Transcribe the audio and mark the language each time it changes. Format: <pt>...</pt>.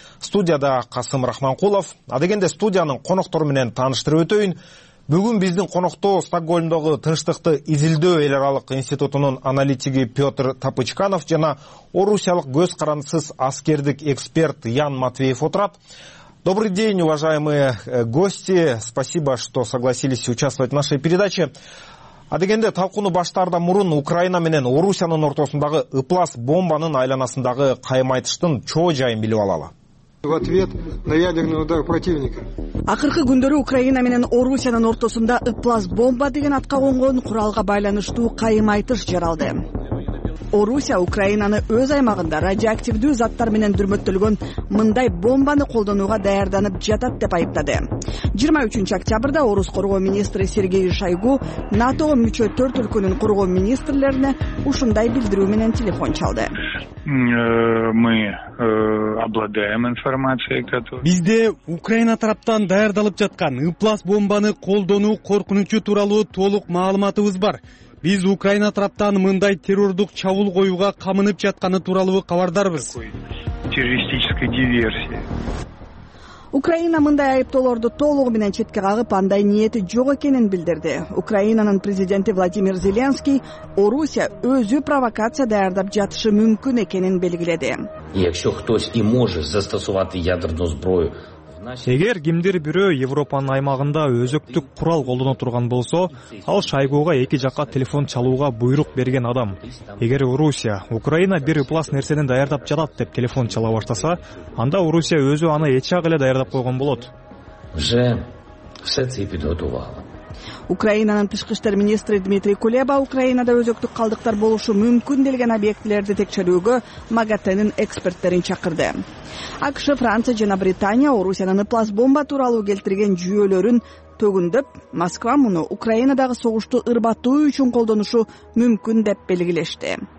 <ky>Студияда Касым Рахманкулов, адегенде студиянын коноктору менен тааныштырып өтөйүн. Бүгүн биздин конокто Стокгольмдогу тынчтыкты изилдөө эл аралык институтунун аналитиги Петр Тапычканов жана орусиялык көз карансыз аскердик эксперт Ян Матвеев отурат.</ky> <ru>Добрый день, уважаемые гости. Спасибо, что согласились участвовать в нашей передаче.</ru> <ky>Адегенде талкууну баштарда мурун Украина менен Орусиянын ортосундагы ыплас бомбанын айланасындагы каймайтыштын чоо жайын билип алалы.</ky> <ru>В ответ на ядерный удар противника.</ru> <ky>Акыркы күндөрү Украина менен Орусиянын ортосунда ыплас бомба деген атка конгон куралга байланыштуу каймайтыш жаралды. Орусия Украинаны өз аймагында радиоактивдүү заттар менен дүрмөттөлгөн мындай бомбаны колдонууга даярданып жатат деп айыптады. 23 октябрда Орус коргоо министри Сергей Шойгу НАТОго мүчө 4 өлкөнүн коргоо министрлерине ушундай билдирүү менен телефон чалды. Бизде Украина тараптан даярдалып жаткан ыплас бомбаны колдонуу коркунучу тууралуу толук маалыматыбыз бар. Биз Украина тараптан мындай террордук чабуул коюуга камынып жатканы тууралуу кабардарбыз.</ky> <ru>Террористическая диверсия.</ru> <ky>Украина мындай айыптоолорду толугу менен четке кагып, андай ниети жок экенин билдирди. Украинанын президенти Владимир Зеленский Орусия өзү провокация даярдап жатышы мүмкүн экенин белгиледи.</ky> <ru>Если кто-то и может застосовать ядерную зброю,</ru> <ky>эгер кимдир бирөө Европанын аймагында өзөктүк курал колдоно турган болсо, ал Шойгуга эки жакка телефон чалууга буйрук берген адам. Эгер Орусия Украина бир ыплас нерсени даярдап жатат деп телефон чала баштаса, анда Орусия өзү аны эч-ак эле даярдап койгон болот.</ky> <ru>Уже все это подготовила.</ru> <ky>Украинанын тышкы иштер министри Дмитрий Кулеба Украинада өзөктүк калдыктар болушу мүмкүн делген объектилерди текшерүүгө МАГАТЭнин эксперттерин чакырды. АКШ, Франция жана Британия Орусиянын ыплас бомба тууралуу келтирген жүйөлөрүн төгүндөп, Москва муну Украинадагы согушту ырбатуу үчүн колдонушу мүмкүн деп белгилешти.</ky>